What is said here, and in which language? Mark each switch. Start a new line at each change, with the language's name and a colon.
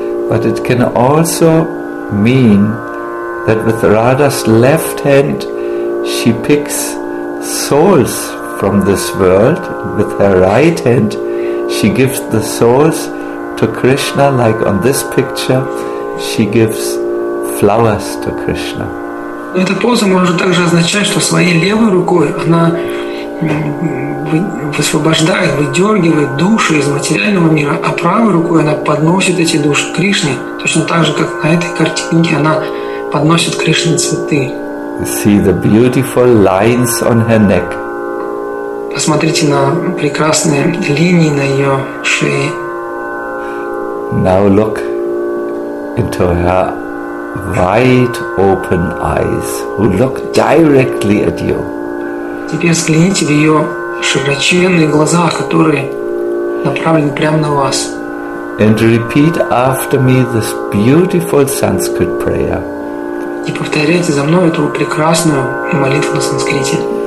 English: But it can also mean that with Radha's left hand she picks souls from this world. With her right hand she gives the souls to Krishna, like on this picture. She gives flowers to Krishna.
Russian: Эта поза может также означать, что своей левой рукой она высвобождает, выдергивает души из материального мира, а правой рукой она подносит эти души к Кришне, точно так же, как на этой картинке она подносит Кришне цветы.
English: See the beautiful lines on her neck.
Russian: Посмотрите на прекрасные линии на ее шее.
English: Now look into her wide open eyes, who look directly at you.
Russian: Теперь взгляните в ее широченные глаза, которые направлены прямо на вас.
English: And repeat after me this beautiful Sanskrit prayer.
Russian: И повторяйте за мной эту прекрасную молитву на санскрите.